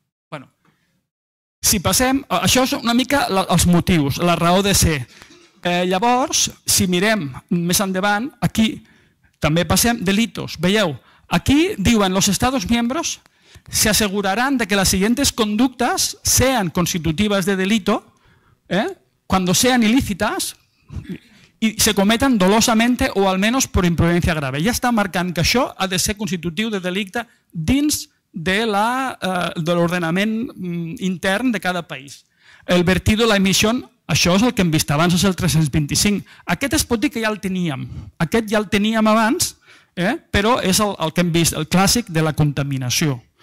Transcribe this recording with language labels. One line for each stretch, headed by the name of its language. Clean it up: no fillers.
Catalan: Bueno, si passem, això és una mica els motius, la raó de ser. Llavors, si mirem més endavant, aquí també passem delitos. Veieu, aquí diuen
Spanish: los estados miembros se asegurarán de que las siguientes conductas sean constitutivas de delito cuando sean ilícitas y se cometan dolosamente o al menos por imprudencia grave.
Catalan: Ya está marcant que això ha de ser constitutiu de delicte dins de l'ordenament intern de cada país.
Spanish: El vertido, la emisión,
Catalan: això és el que hem vist abans, és el 325. Aquest es pot dir que ja el teníem. Aquest ja el teníem abans, però és el que hem vist, el clàssic de la contaminació.